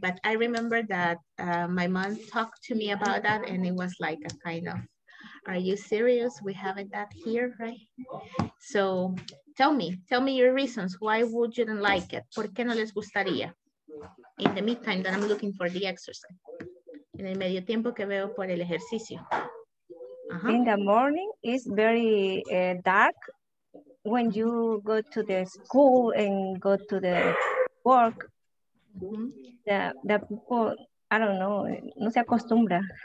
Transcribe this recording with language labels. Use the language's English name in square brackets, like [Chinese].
[English] But I remember that my mom talked to me about that, and it was like a kind of, are you serious? We haven't that here, right? So tell me your reasons. Why would you don't like it? [Spanish] ¿Por qué no les gustaría? [English] In the meantime, that I'm looking for the exercise. [Spanish] En el medio tiempo que veo por el ejercicio. [English] Uh-huh. In the morning, it's very dark. When you go to the school and go to the work, mm-hmm. The people, I don't know, [Spanish] no se acostumbra.